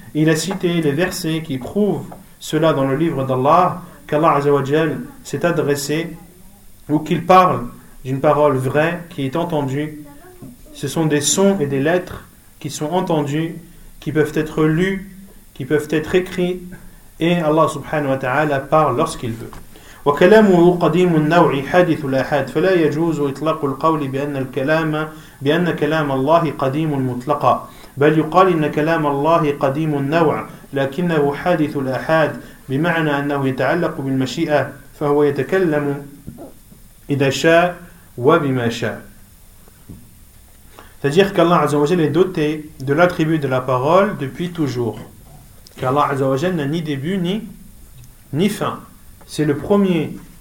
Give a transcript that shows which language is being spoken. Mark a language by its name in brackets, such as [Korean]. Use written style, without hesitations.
[French] Il a cité les versets qui prouvent cela dans le livre d'Allah, qu'Allah Azza wa Jal s'est adressé, ou qu'il parle d'une parole vraie qui est entendue. Ce sont des sons et des lettres qui sont entendus, qui peuvent être lus, qui peuvent être écrits, et Allah subhanahu wa ta'ala parle lorsqu'il veut. [Arabic] وكلامه قديم النوع حادث الآحاد فلا يجوز إطلاق القول بأن الكلام بأن كلام الله قديم مطلقا بل يقال إن كلام الله قديم النوع لكنه حادث الآحاد بمعنى أنه يتعلق بالمشيئة فهو يتكلم إذا شاء وبما شاء. [French] C'est-à-dire qu'Allah Azza wa Jal est doté de l'attribut de la parole depuis toujours. Qu'Allah Azza wa Jal n'a ni début ni fin. C'est le premier.